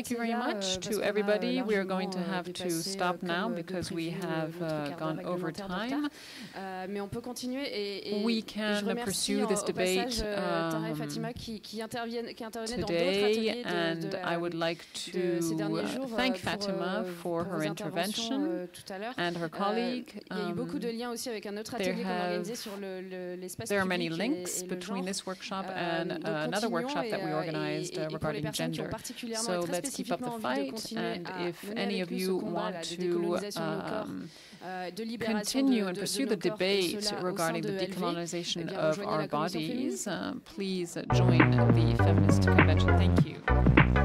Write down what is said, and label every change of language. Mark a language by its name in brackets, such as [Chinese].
[English] Thank you very much to everybody. We are going to have to stop now because we have gone over time. [French] Mais on peut continuer et [English] we can pursue this debate. Today, and I would like to thank Fatima for her intervention and her colleague. [French] Il y a eu beaucoup de liens aussi avec un autre atelier qu'on a organisé sur l'espace public. [English] There are many links between this workshop and another workshop that we organized. gender. So let's keep up the fight. And if any of you want to continue and pursue the debate regarding the decolonization of our bodies, please join the Feminist Convention. Thank you.